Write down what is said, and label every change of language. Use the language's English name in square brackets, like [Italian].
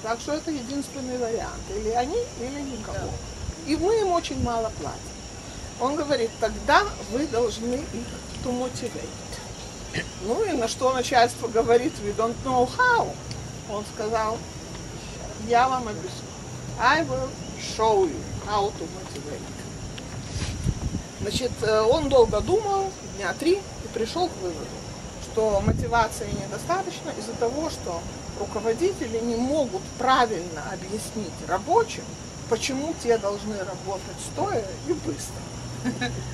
[Russian] Так что это единственный вариант. Или они, или никого. И мы им очень мало платим. Он говорит, тогда вы должны их [English] to motivate. [Russian] Ну и на что начальство говорит, [English] we don't know how. [Russian] Он сказал, я вам объясню. [English] I will show you how to motivate. [Russian] Значит, он долго думал, 3 дня, и пришел к выводу, что мотивации недостаточно из-за того, что руководители не могут правильно объяснить рабочим, почему те должны работать стоя и быстро.